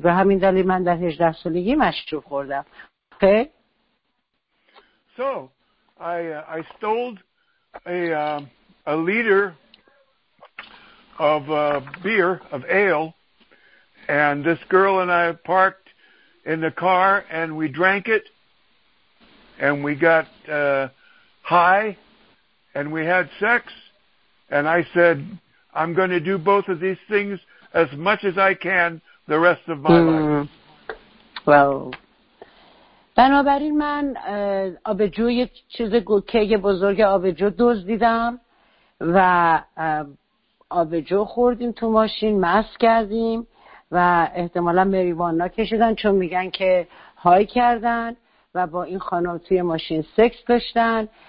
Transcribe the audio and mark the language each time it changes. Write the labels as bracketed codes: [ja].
[fa] به همین دلیل من در 18 سالگی مشروب خوردم. اوکی؟ [en] So I stole a liter of beer, of ale, and this girl and I parked in the car and we drank it and we got high and we had sex, and I said, I'm going to do both of these things as much as I can the rest of my life. Well... [fa] بنابراین من آبجو یه چیز گوکه بزرگ آبجو دزدیدم و آبجو خوردیم تو ماشین، مست کردیم و احتمالا مریوانا کشیدن چون میگن که های کردن و با این خانم توی ماشین سکس داشتن.